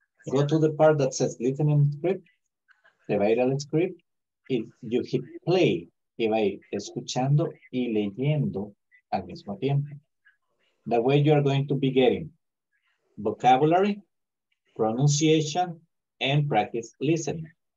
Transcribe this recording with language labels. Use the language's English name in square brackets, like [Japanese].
[English] Go to the part that says listen and script. [Spanish] Te va a ir al script. Y [English] you hit play. [Spanish] Y va a ir escuchando y leyendo al mismo tiempo. [English] The way you are going to be getting vocabulary, pronunciation, and practice listening.